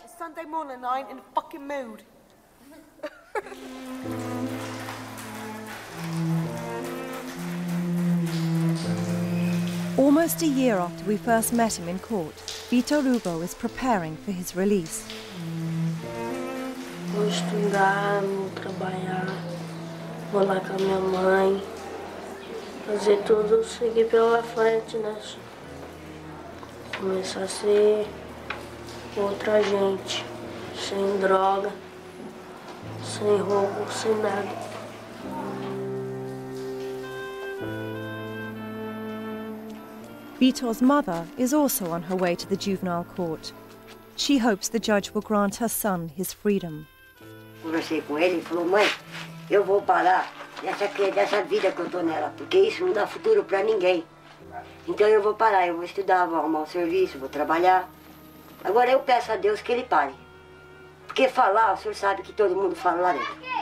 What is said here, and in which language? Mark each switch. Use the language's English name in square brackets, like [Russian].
[English] It's Sunday morning, I ain't in a fucking mood. Almost a year after we first met him in court, Vito Lugo is preparing for his release. [Portuguese] Vou estudar, vou trabalhar, vou lá com a minha mãe, fazer tudo, seguir pela frente, né? Começar a ser outra gente, sem droga, sem roubo, sem nada. [English] Vitor's mother is also on her way to the juvenile court. She hopes the judge will grant her son his freedom. [Portuguese] Conversei com ele e falou, mãe, eu vou parar dessa vida que eu tô nela, porque isso não dá futuro pra ninguém. Então eu vou parar, eu vou estudar, vou arrumar um serviço, vou trabalhar. Agora eu peço a Deus que ele pare. Porque falar, o senhor sabe que todo mundo fala lá dentro.